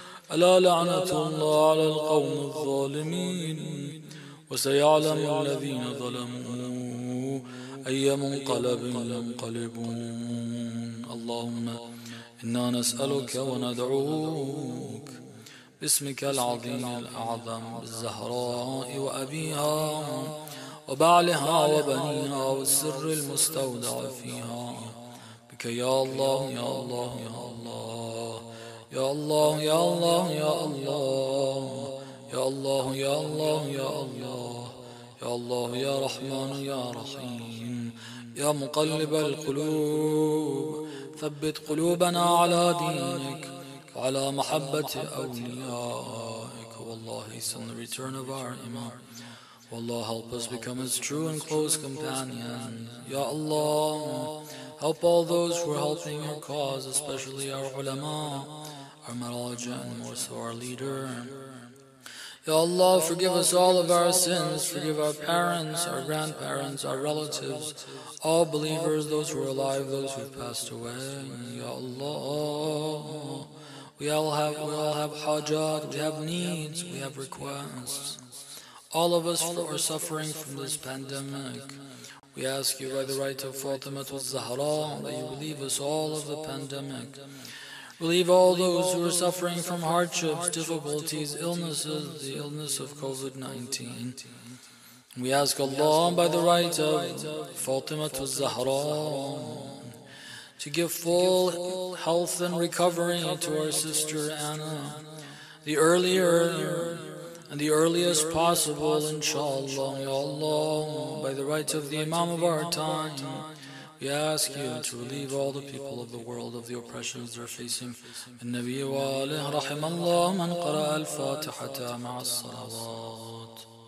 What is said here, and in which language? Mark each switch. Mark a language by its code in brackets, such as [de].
[ar] Ala la'natullah ala al-qawm al-zalimin wa sayalam al-ladhina zalamu أي منقلب ينقلبون. اللهم إنا نسألك وندعوك باسمك العظيم الأعظم الزهراء وأبيها وبعلها وبنيها والسر المستودع فيها بك يا الله يا الله يا الله يا الله يا الله يا الله يا الله يا الله يا الله يا الله يا رحمن يا رحيم يا مقلب القلوب ثبت قلوبنا على دينك وعلى محبة أوليائك والله [en] send the return of our imam والله help us become his true and close companion يا الله help all those who are helping your cause especially our ulama our maraj and also our leader Ya Allah, forgive us all of our sins. Forgive our parents, our grandparents, our relatives, all believers, those who are alive, those who have passed away. Ya Allah, we all have hajat, we have needs, we have requests. All of us are suffering from this pandemic. We ask you by the right of Fatima al-Zahra that you relieve us all of the pandemic. Relieve all those who are suffering from hardships, difficulties, illnesses, the illness of COVID-19. We ask Allah by the right of Fatima al-Zahra to give full health and recovery to our sister Anna, the earlier and the earliest possible, inshallah. Ya Allah, by the right of the Imam of our time, we ask you to relieve all the people of the world of the oppressions they're facing. [ar] النبي وآله رحم الله من قرأ الفاتحة مع الصلوات.